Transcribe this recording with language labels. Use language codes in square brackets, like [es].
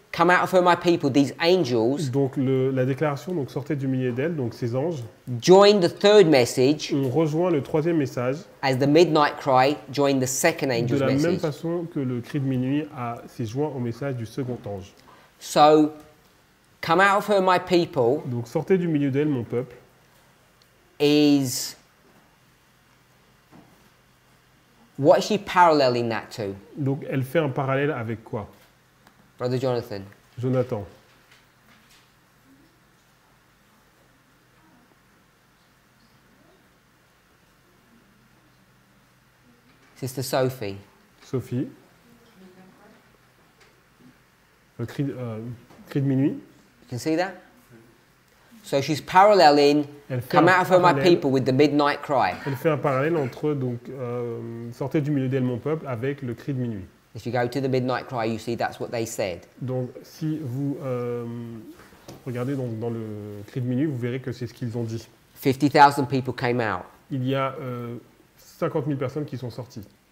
[en] Come out of her, my people, these angels. [fr] Donc la déclaration donc sortait du milieu d'elle, donc ces anges. [en] Join the third message. [fr] On rejoint le troisième message. [en] As the midnight cry joined the second angel's message. [fr] De la message. Même façon que le cri de minuit s'est joint au message du second ange. [en] So, come out of her, my people. [fr] Donc sortez du milieu d'elle, mon peuple. [en] Is what is she paralleling that to? [fr] Donc elle fait un parallèle avec quoi? [en] Brother Jonathan. [fr] Jonathan. [en] Sister Sophie. [fr] Sophie. Le cri de minuit. [en] You can see that? So she's paralleling, come out of her, my people, with the midnight cry. [fr] Elle fait un parallèle entre donc sortez du milieu d'elle, mon peuple, avec le cri de minuit. [en] If you go to the midnight cry, you see that's what they said. [fr] Donc si vous regardez donc dans le cri de minuit, vous verrez que c'est ce qu'ils ont dit. [en] 50,000 people came out. [fr] Il y a 50,000 personnes qui sont sorties.